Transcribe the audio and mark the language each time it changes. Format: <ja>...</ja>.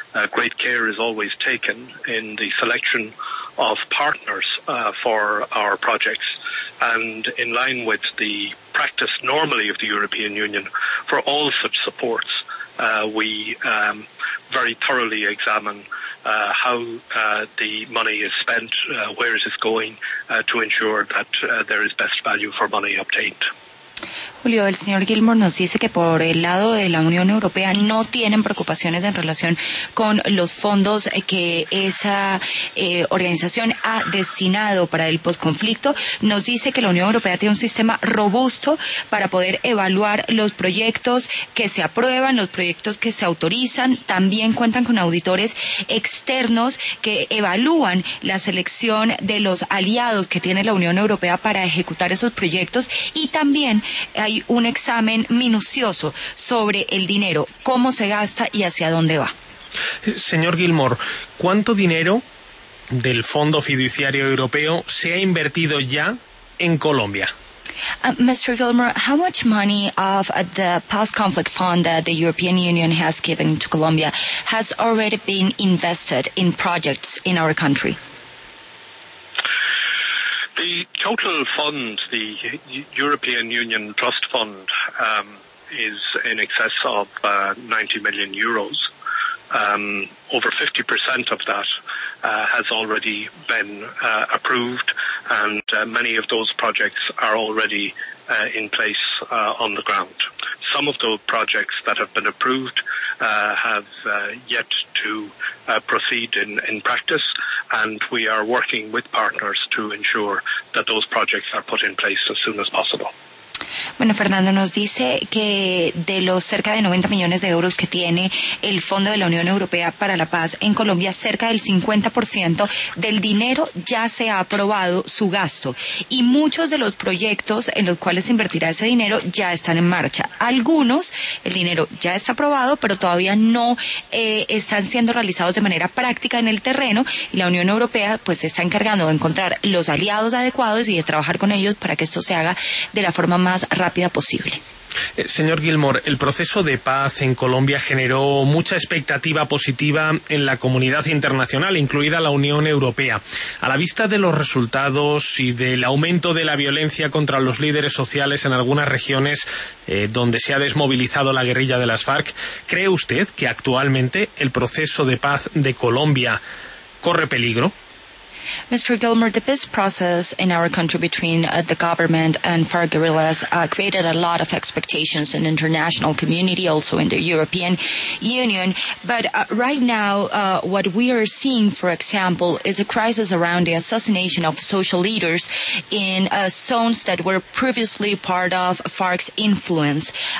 <en>Great care is always taken in the selection of partners for our projects, and in line with the practice normally of the European Union for all such supports, we very thoroughly examine how the money is spent, where it is going, to ensure that there is best value for money obtained.</en> <es>Julio, el señor Gilmore nos dice que por el lado de la Unión Europea no tienen preocupaciones en relación con los fondos que esa organización ha destinado para el posconflicto. Nos dice que la Unión Europea tiene un sistema robusto para poder evaluar los proyectos que se aprueban, los proyectos que se autorizan. También cuentan con auditores externos que evalúan la selección de los aliados que tiene la Unión Europea para ejecutar esos proyectos, y también hay un examen minucioso sobre el dinero, cómo se gasta y hacia dónde va. Señor Gilmore, ¿cuánto dinero del Fondo Fiduciario Europeo se ha invertido ya en Colombia?</es> <en>Mr. Gilmore, how much money of the post-conflict fund that the European Union has given to Colombia has already been invested in projects in our country? The total fund, the European Union Trust Fund, is in excess of 90 million euros. Over 50% of that has already been approved, and many of those projects are already in place on the ground. Some of those projects that have been approved have yet to proceed in practice, and we are working with partners to ensure that those projects are put in place as soon as possible.</en> <es>Bueno, Fernando nos dice que de los cerca de 90 millones de euros que tiene el Fondo de la Unión Europea para la Paz en Colombia, cerca del 50% del dinero ya se ha aprobado su gasto, y muchos de los proyectos en los cuales se invertirá ese dinero ya están en marcha. Algunos, el dinero ya está aprobado, pero todavía no están siendo realizados de manera práctica en el terreno, y la Unión Europea pues se está encargando de encontrar los aliados adecuados y de trabajar con ellos para que esto se haga de la forma más rápida posible. Señor Gilmore, el proceso de paz en Colombia generó mucha expectativa positiva en la comunidad internacional, incluida la Unión Europea. A la vista de los resultados y del aumento de la violencia contra los líderes sociales en algunas regiones donde se ha desmovilizado la guerrilla de las FARC, ¿cree usted que actualmente el proceso de paz de Colombia corre peligro?</es> <en>Mr. Gilmore, the peace process in our country between the government and FARC guerrillas created a lot of expectations in the international community, also in the European Union. But right now, what we are seeing, for example, is a crisis around the assassination of social leaders in zones that were previously part of FARC's influence.</en>